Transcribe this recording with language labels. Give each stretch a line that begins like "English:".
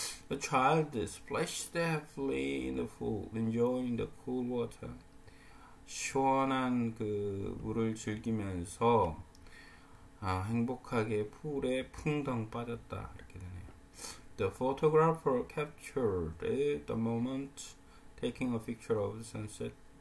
English: A child splashed deftly in the pool, enjoying the cool water.
Korean: 시원한 그 물을 즐기면서 행복하게 풀에 풍덩 빠졌다. 이렇게 되네요.
English: The photographer captured the moment, taking a picture of the sunset.